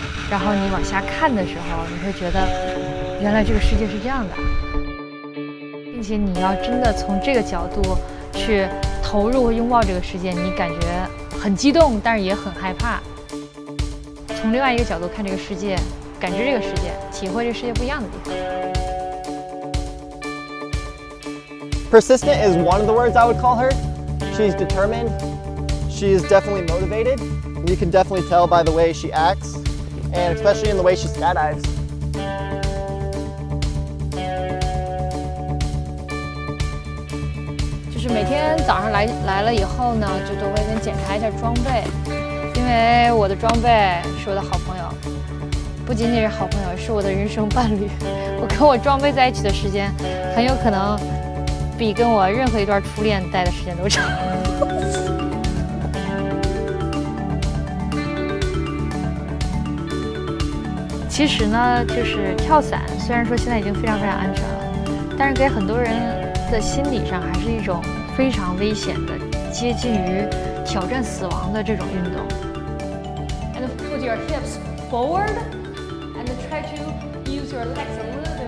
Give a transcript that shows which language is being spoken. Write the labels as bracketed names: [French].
[Chinese] 然后你往下看的时候，你会觉得原来这个世界是这样的，并且你要真的从这个角度去投入和拥抱这个世界，你感觉很激动，但是也很害怕。从另外一个角度看这个世界，感知这个世界，体会这个世界不一样的地方。 [English] Persistent is one of the words I would call her. She's determined. She is definitely motivated. You can definitely tell by the way she acts. And especially in the way she skydives. [Chinese] Just 每天早上来了以后呢，就都会先检查一下装备，因为我的装备是我的好朋友，不仅仅是好朋友，是我的人生伴侣。我跟我装备在一起的时间，很有可能比跟我任何一段初恋待的时间都长。其实呢，就是跳伞，虽然说现在已经非常非常安全了，但是给很多人的心理上还是一种非常危险的，接近于挑战死亡的这种运动。 [English] And put your hips forward and try to use your legs a little bit.